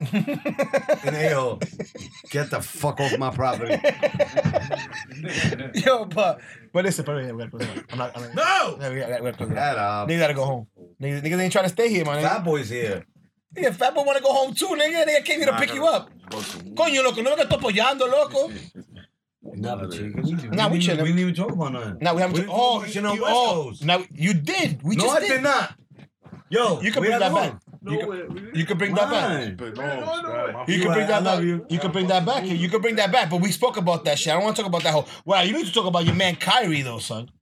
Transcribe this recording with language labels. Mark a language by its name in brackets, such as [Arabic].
[English] Get the fuck off my property. Yo, but listen, but we gotta close it. No! We gotta close it. Shut up. Niggas gotta go home. Niggas ain't trying to stay here, man. Fat boy's here. Yeah, fat boy wanna go home too, nigga. Nigga came here to pick you up. [Spanish] Coño, loco, no me estoy apoyando, loco. [English] Nah, we chilling. We didn't even talk about nothing. Nah, we haven't talked. Oh, you know, now you did. We just did. No, I did not. Yo, you can bring that back. You can bring that back. You can bring that back. You can bring that back. You can bring that back. But we spoke about that shit. I don't want to talk about that whole. Well, you need to talk about your man Kyrie though, son.